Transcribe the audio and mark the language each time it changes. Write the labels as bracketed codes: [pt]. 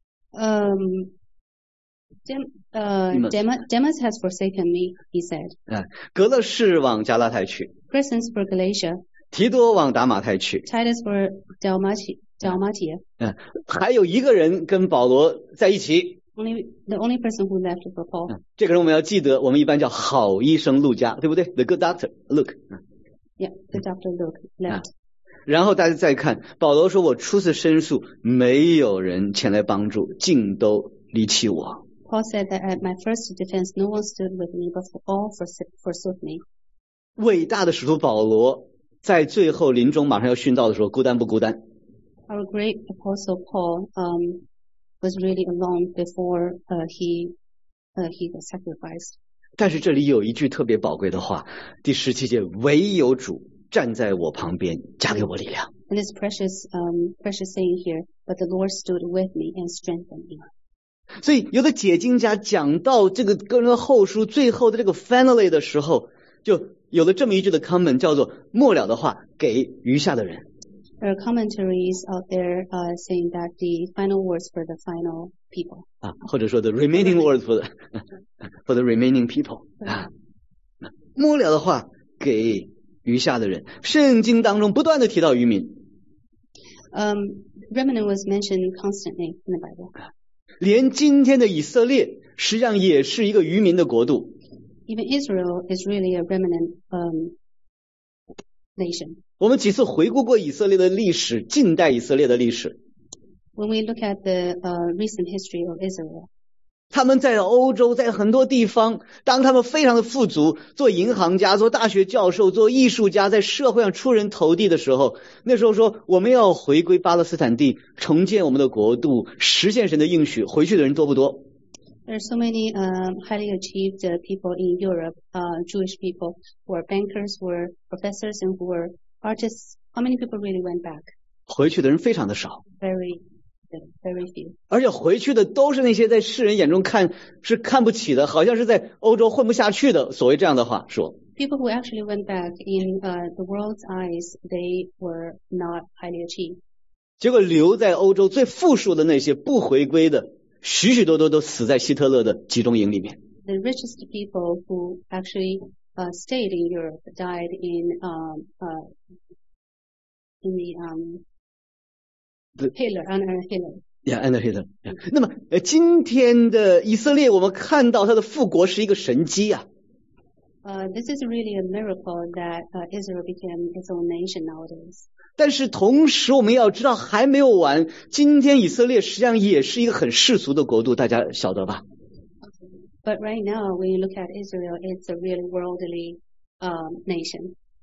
[en] Demas has forsaken me, he said. [zh] 格勒士往加拉太去。 [en] Crescens for Galatia. [zh] 提多往达马太去。 [en] Titus for Dalmatia. [zh] 还有一个人跟保罗在一起。 [en] The only person who left for Paul. [zh] 这个人我们要记得，我们一般叫好医生路加，对不对 ？ [en] The good doctor, Luke. Yeah, the doctor Luke left. [zh] 然后大家再看保罗说我初次申诉没有人前来帮助竟都离弃我。 [en] Paul said that at my first defense, no one stood with me, but all forsook me. [zh] 伟大的使徒保罗在最后临终马上要殉道的时候孤单不孤单 [en] ?Our great apostle Paul, was really alone before, he was sacrificed. [zh] 但是这里有一句特别宝贵的话第十七节唯有主。站在我旁边加给我力量 [en] And this precious saying here but the Lord stood with me and strengthened me [zh] 所以有的解经家讲到这个哥林多后书最后的这个 finally 的时候就有了这么一句的 comment 叫做末了的话给余下的人 [en] There are commentaries out there saying that the final words for the final people [zh] 啊，或者说 [en] the remaining words for the remaining people [zh] 啊，末了的话给余下的人，圣经当中不断的提到余民。 [en] Remnant was mentioned constantly in the Bible. [zh] 连今天的以色列，实际上也是一个余民的国度。 [en] Even Israel is really a remnant nation. [zh] 我们几次回顾过以色列的历史，近代以色列的历史。 [en] When we look at the recent history of Israel. [zh] 他们在欧洲在很多地方当他们非常的富足做银行家做大学教授做艺术家在社会上出人头地的时候那时候说我们要回归巴勒斯坦地重建我们的国度实现神的应许回去的人多不多 [en] There are so many highly achieved people in Europe Jewish people who are bankers who are professors and who are artists How many people really went back? [zh] 回去的人非常的少 [en] Very few. [zh] 而且回去的都是那些在世人眼中看是看不起的好像是在欧洲混不下去的所谓这样的话说 [en] People who actually went back in the world's eyes they were not highly achieved [zh] 结果留在欧洲最富庶的那些不回归的许许多多都死在希特勒的集中营里面 [en] The richest people who actually stayed in Europe died in the Under Hitler. Yeah. [zh] 那么今天的以色列我们看到它的复国是一个神迹啊。 [en] This is really a miracle that Israel became its own nation nowadays. [zh] 但是同时我们要知道还没有完，今天以色列实际上也是一个很世俗的国度，大家晓得吧？ [en] But right now, when you look at Israel, it's a really worldly nation.